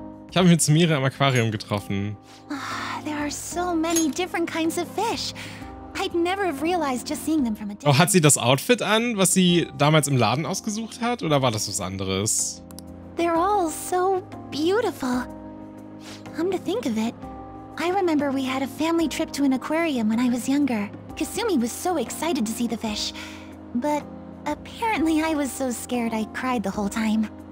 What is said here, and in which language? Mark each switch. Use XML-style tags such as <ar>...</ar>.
<de>Ich habe mich mit Sumire im Aquarium getroffen.</de> <en>Oh, there are so many different kinds of fish. I'd never have realized just seeing them from a distance.</en> <de>Oh, hat sie das Outfit an, was sie damals im Laden ausgesucht hat, oder war das was anderes?</de> <en>They're all so beautiful. Come to think of it, I remember we had a family trip to an aquarium when I was younger. Kasumi was so excited to see the fish, but apparently I was so scared I cried the whole time.</en>